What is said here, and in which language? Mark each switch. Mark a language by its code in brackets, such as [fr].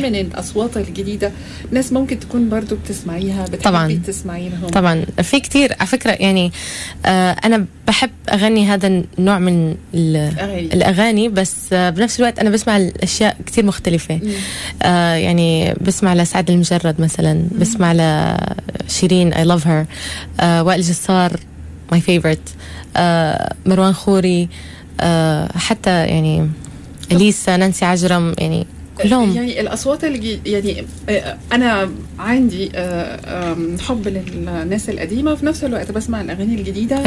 [ar] من الاصوات الجديده ناس ممكن تكون برضو بتسمعيها بتحبي تسمعيهم؟ طبعا في كتير على فكره. يعني انا بحب اغني هذا النوع من الاغاني بس بنفس الوقت انا بسمع الاشياء كتير مختلفه. يعني بسمع لسعد المجرد مثلا. بسمع لشيرين [en] I love her. [ar] وائل جسار [en] my favorite. [ar] مروان خوري. حتى يعني اليسا نانسي عجرم. يعني كلهم يعني الاصوات اللي يعني انا عندي حب للناس القديمه وفي نفس الوقت بسمع الاغاني الجديده.